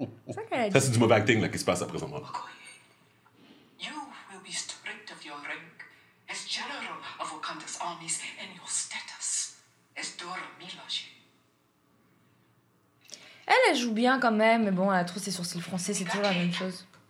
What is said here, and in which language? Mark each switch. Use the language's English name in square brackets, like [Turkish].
[French] Ça, c'est du mauvais acting là, qui se passe à présent. [English] Okoye, you will be stripped of your rank as general of Wakanda's armies and your status as Dora Milaje. [French] Elle, elle, elle joue bien quand même, mais bon, elle a trop ses sourcils français, c'est toujours la même chose.